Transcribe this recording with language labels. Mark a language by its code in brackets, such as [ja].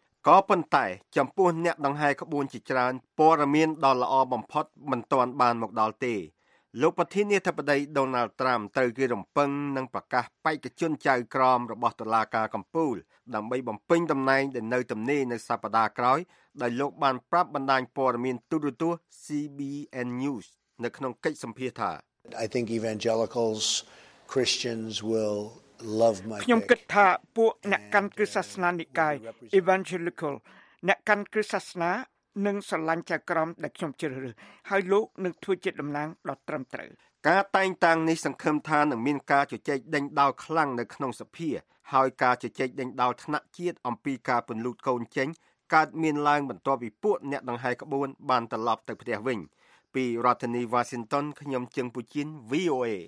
[km] ក៏ប៉ុន្តែចំពោះអ្នកដង្ហែក្បួនជាច្រើនព័ត៌មានដ៏ល្អបំផុតមិនទាន់បានមកដល់ទេលោកប្រធានាធិបតី Donald Trump ត្រូវគេរំពឹងនឹងប្រកាសបេក្ខជនចៅក្រមរបស់តុលាការកំពូលដើម្បីបំពេញតំណែងដែលនៅទំនេរនៅសប្តាហ៍ក្រោយដោយលោកបានប្រាប់បណ្ដាញព័ត៌មានទូរទស្សន៍ CBN News នៅក្នុងកិច្ចសម្ភាសន៍ថា [en] I think evangelicals Christians willLove my [km] ខ្ញុំគិតថាពួកអ្នកកាន់គ្រឹះសាសនានិកាយ Evangelical អ្នកកាន់គ្រឹះសាសនានឹងស្រឡាញ់ចៅក្រមដែលខ្ញុំជ្រើសរើសហើយលោកនឹងធ្វើជាតំណាងដ៏ត្រឹមត្រូវ ការតែងតាំងនេះសង្ឃឹមថានឹងមានការជជែកដេញដោលខ្លាំងនៅក្នុងសភាហើយការជជែកដេញដោលថ្នាក់ជាតិអំពីការពន្លូតកូនចេញកើតមានឡើងបន្ទាប់ពីពួកអ្នកដង្ហែក្បួនបានត្រឡប់ទៅផ្ទះវិញពីរដ្ឋធានី Washington ខ្ញុំជឹងពូជិន VOA